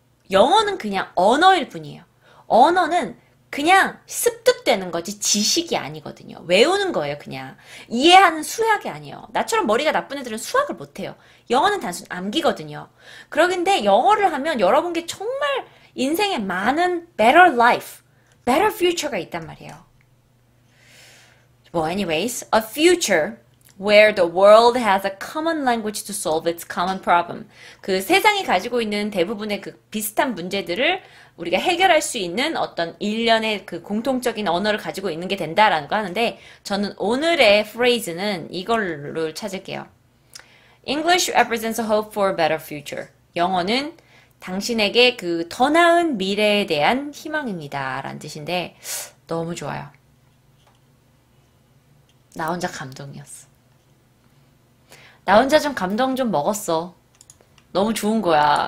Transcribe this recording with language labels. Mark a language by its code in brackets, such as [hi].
[ko] 영어는 그냥 언어일 뿐이에요. 언어는 그냥 습득되는 거지 지식이 아니거든요. 외우는 거예요, 그냥. 이해하는 수학이 아니에요. 나처럼 머리가 나쁜 애들은 수학을 못해요. 영어는 단순 암기거든요. 그런데 영어를 하면 여러분께 정말 인생에 많은 [en] better life, better future [ko] 가 있단 말이에요. [en] Well, anyways, a future where the world has a common language to solve its common problem. [ko] 그 세상이 가지고 있는 대부분의 그 비슷한 문제들을 우리가 해결할 수 있는 어떤 일련의 그 공통적인 언어를 가지고 있는 게 된다라는 거 하는데 저는 오늘의 phrase는 이걸로 찾을게요. [en] English represents a hope for a better future. [ko] 영어는 당신에게 그 더 나은 미래에 대한 희망입니다라는 뜻인데 너무 좋아요. 나 혼자 감동이었어. 나 혼자 좀 감동 좀 먹었어. 너무 좋은 거야.